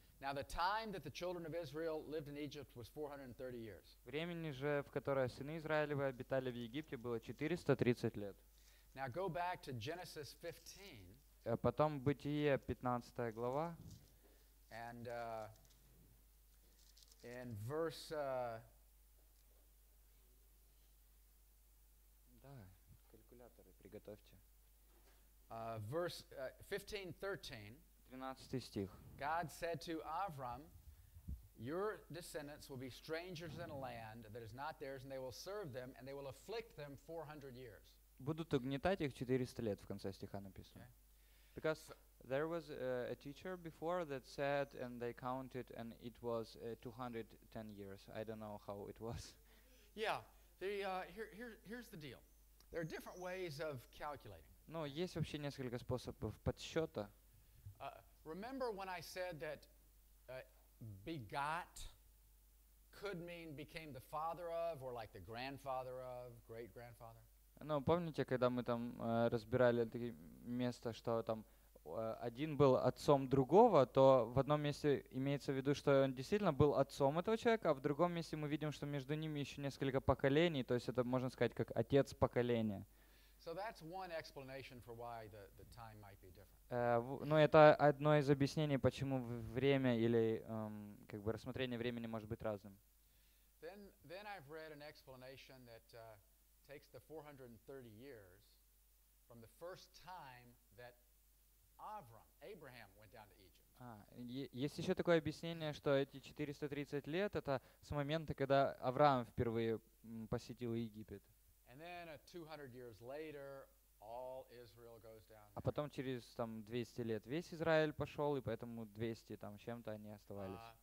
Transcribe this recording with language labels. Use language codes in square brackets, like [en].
[en] Now the time that the children of Israel lived in Egypt was 430 years. [ru] Времени же, в которое сыны Израилевы обитали в Египте, было 430 лет. [en] Now go back to Genesis 15. [ru] Потом Бытие, 15 глава. [en] And in verse... [ru] Да, калькуляторы приготовьте. [en] Verse 15:13. God said to Avram, "Your descendants will be strangers in a land that is not theirs, and they will serve them, and they will afflict them 400 years." [ru] Будут угнетать их 400 лет, в конце стиха написано. [en] Okay. Because there was a teacher before that said, and they counted, and it was 210 years. I don't know how it was. Yeah. Here's the deal. There are different ways of calculating. [ru] Ну, есть вообще несколько способов подсчета. [en] Remember when I said that begot could mean became the father of, or like the grandfather of, great-grandfather? [ru] Ну, помните, когда мы там разбирали такие места, что там один был отцом другого, то в одном месте имеется в виду, что он действительно был отцом этого человека, а в другом месте мы видим, что между ними еще несколько поколений, то есть это, можно сказать, как отец поколения. [en] So that's one explanation for why the time might be different. [ru] Ну это одно из объяснений, почему время или как бы рассмотрение времени может быть разным. [en] Then I've read an explanation that takes the 430 years from the first time that Abraham went down to Egypt. [ru] Есть еще такое объяснение, что эти 430 лет это с момента, когда Авраам впервые посетил Египет. [en] And then 200 years later, all Israel goes down. [ru] А потом через там 200 лет весь Израиль пошел, и поэтому 200 там чем-то они оставались.